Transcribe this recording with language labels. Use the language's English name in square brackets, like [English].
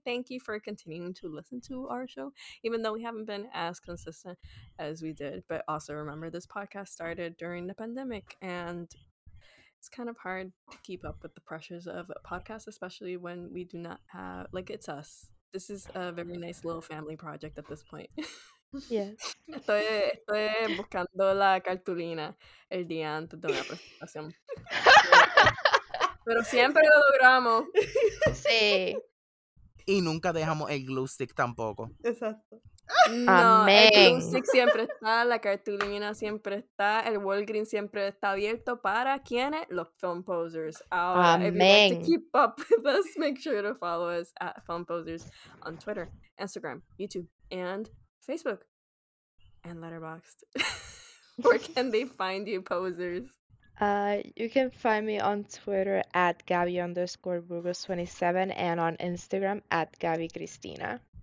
[English] Thank you for continuing to listen to our show, even though we haven't been as consistent as we did. But also remember, this podcast started during the pandemic, and it's kind of hard to keep up with the pressures of a podcast, especially when we do not have, like, it's us. This is a very nice little family project at this point. Yes. [Spanish] Estoy buscando la cartulina el día antes de una presentación. Pero siempre lo logramos. Sí. Y nunca dejamos el glue stick tampoco. Exacto. No, amén. El Stick siempre está, la cartulina siempre está, el Walgreens siempre está abierto para quienes, los Film Posers. Ahora, amén. [English] If you like to keep up with us, make sure to follow us at Film Posers on Twitter, Instagram, YouTube, and Facebook, and Letterboxd. Where can they find you, posers? You can find me on Twitter at Gabby_Burgos27 and on Instagram at GabbyCristina.